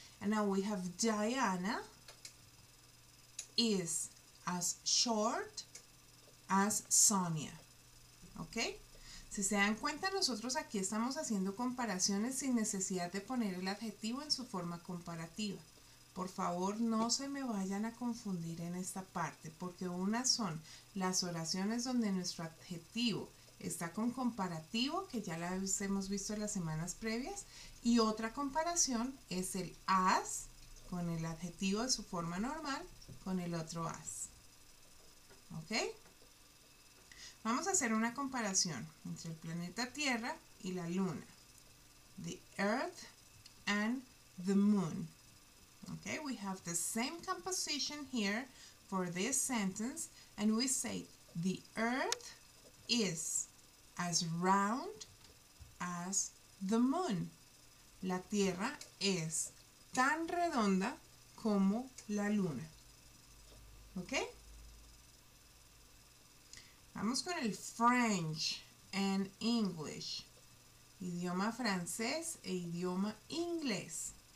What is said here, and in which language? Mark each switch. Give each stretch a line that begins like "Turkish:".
English: And now we have Diana is as short as Sonia.
Spanish: ¿Ok? Si se dan cuenta, nosotros aquí estamos haciendo comparaciones sin necesidad de poner el adjetivo en su forma comparativa. Por favor, no se me vayan a confundir en esta parte, porque unas son las oraciones donde nuestro adjetivo está con comparativo, que ya las hemos visto en las semanas previas, y otra comparación es el as con el adjetivo de su forma normal con el otro as. ¿Ok? Vamos a hacer una comparación entre el planeta Tierra y la Luna.
English: The Earth and the Moon. ¿Ok? We have the same composition here for this sentence and we say the Earth is as round as the moon.
Spanish: La Tierra es tan redonda como la Luna. ¿Ok? Vamos con el
English: French and English.
Spanish: Idioma francés e idioma inglés.